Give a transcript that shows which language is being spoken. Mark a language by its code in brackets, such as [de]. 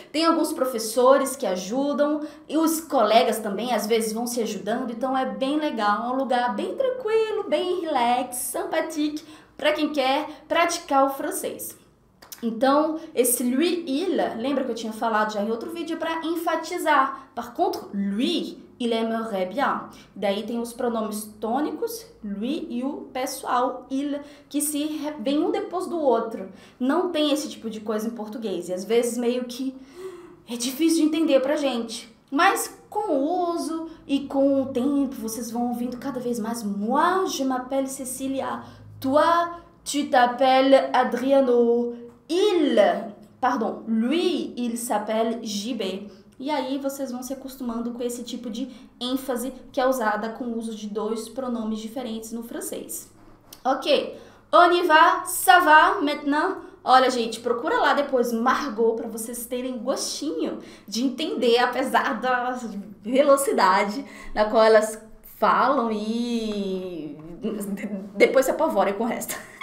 [pt] Tem alguns professores que ajudam, e os colegas também, às vezes, vão se ajudando. Então é bem legal, é um lugar bem tranquilo, bem relax, sympathique, para quem quer praticar o francês. Então, esse lui, il, lembra que eu tinha falado já em outro vídeo para enfatizar. [fr] Par contre, lui, il aimerait bien. [pt] Daí tem os pronomes tônicos, lui e o pessoal, il, que se vem um depois do outro. Não tem esse tipo de coisa em português. E às vezes meio que é difícil de entender pra gente. Mas com o uso e com o tempo, vocês vão ouvindo cada vez mais. [fr] Moi, je m'appelle Cécilia. Toi, tu t'appelles Adriano. Pardon, lui, il s'appelle JB. [pt] E aí vocês vão se acostumando com esse tipo de ênfase que é usada com o uso de dois pronomes diferentes no francês. Ok, [fr] on y va, ça va, maintenant? [pt] Olha, gente, procura lá depois Margot para vocês terem gostinho de entender, apesar da velocidade na qual elas falam e depois se apavorem com o resto.